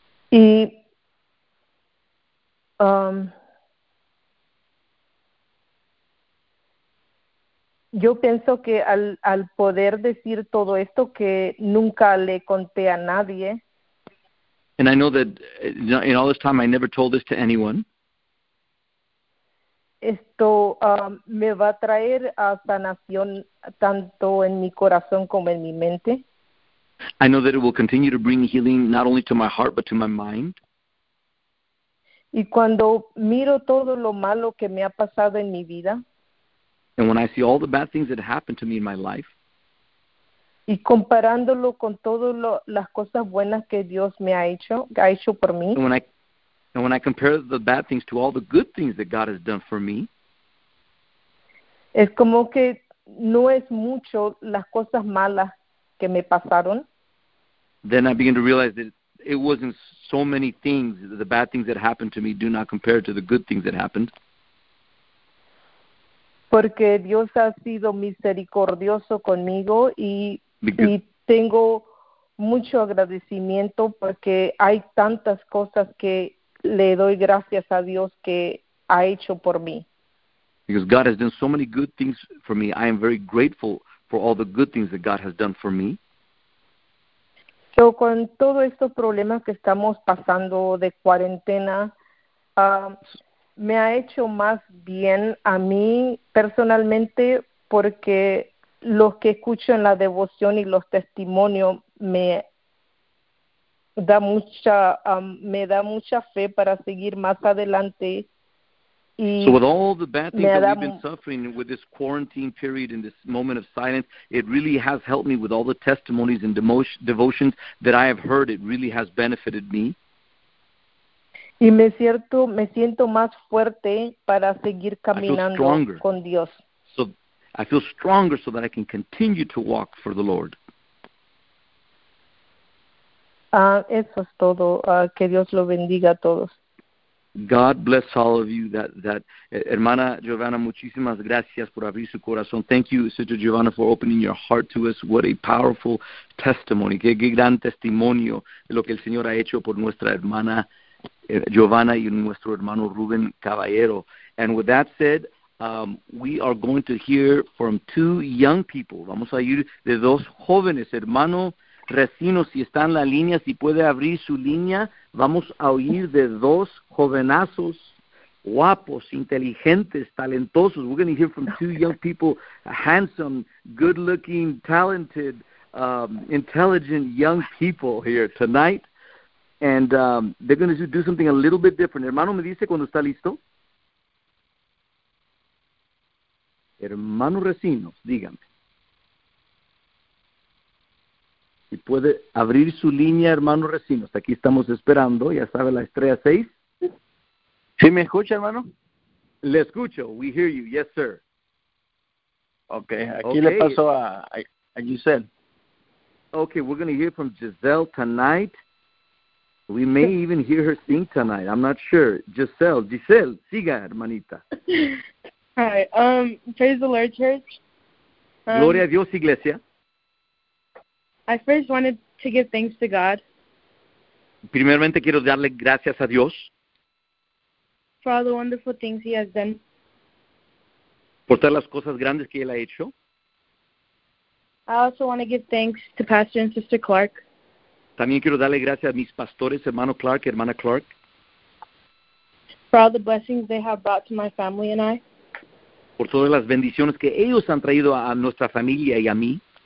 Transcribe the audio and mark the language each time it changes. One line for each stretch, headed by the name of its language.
Spanish: Y yo pienso que al poder decir todo esto que nunca le conté a nadie,
English: And I know that in all this time I never told this to anyone.
Spanish: esto me va a traer a sanación tanto en mi corazón como en mi mente.
English: I know that it will continue to bring healing not only to my heart but to my mind.
Spanish: Y cuando miro todo lo malo que me ha pasado en mi vida,
English: And when I see all the bad things that happened to me in my life,
Spanish: y comparándolo con todas las cosas buenas que Dios me ha hecho por mí,
English: and when I compare the bad things to all the good things that God has done for me,
Spanish: es como que no es mucho las cosas malas que me pasaron.
English: then I begin to realize that it wasn't so many things, the bad things that happened to me do not compare to the good things that happened.
Spanish: Porque Dios ha sido misericordioso conmigo
English: Because
Spanish: y tengo mucho agradecimiento porque hay tantas cosas que le doy gracias a Dios que ha hecho por mí.
English: God has done so many good things for me, I am very grateful for all the good things that God has done for me.
Spanish: So, con todos estos problemas que estamos pasando de cuarentena, me ha hecho más bien a mí personalmente porque los que escucho en la devoción y los testimonios me da mucha fe para seguir más adelante
English: So with all the bad things that we've been suffering with this quarantine period and this moment of silence, it really has helped me with all the testimonies and devotions that I have heard. It really has benefited me.
Spanish: Y me siento más fuerte para seguir caminando con Dios.
English: So I feel stronger so that I can continue to walk for the Lord.
Spanish: Eso es todo. Que Dios lo bendiga a todos.
English: God bless all of you. That hermana Giovanna,
Spanish: muchísimas gracias por abrir su corazón.
English: Thank you, Sister Giovanna, for opening your heart to us. What a powerful testimony.
Spanish: Qué gran testimonio de lo que el Señor ha hecho por nuestra hermana Giovanna y nuestro hermano Rubén Caballero.
English: And with that said, we are going to hear from two young people.
Spanish: Vamos a ir de dos jóvenes. Hermano Recino, si está en la línea, si puede abrir su línea, vamos a oír de dos jovenazos, guapos, inteligentes, talentosos.
English: We're going to hear from two young people, handsome, good-looking, talented, intelligent young people here tonight. And they're going to do something a little bit different.
Spanish: Hermano, ¿me dice cuando está listo? Hermano Recino, dígame. Si puede abrir su línea, hermano Recino. Hasta aquí estamos esperando. Ya sabe, la estrella 6. ¿Sí me escucha, hermano? Le escucho.
English: We hear you. Yes, sir.
Spanish: Okay. Aquí le paso a Giselle.
English: Okay, we're going to hear from Giselle tonight. We may even hear her sing tonight. I'm not sure. Giselle,
Spanish: siga, hermanita.
English: Hi. Praise the Lord, Church.
Spanish: Gloria a Dios, Iglesia.
English: I first wanted to give thanks to God.
Spanish: Primeramente quiero darle gracias a Dios.
English: For all the wonderful things He has done.
Spanish: Por todas las cosas grandes que Él ha hecho.
English: I also want to give thanks to Pastor and Sister Clark.
Spanish: También quiero darle gracias a mis pastores, hermano Clark, hermana Clark.
English: For all the blessings they have brought to my family and I.
Spanish: Por todas las bendiciones que ellos han traído a nuestra familia y a mí.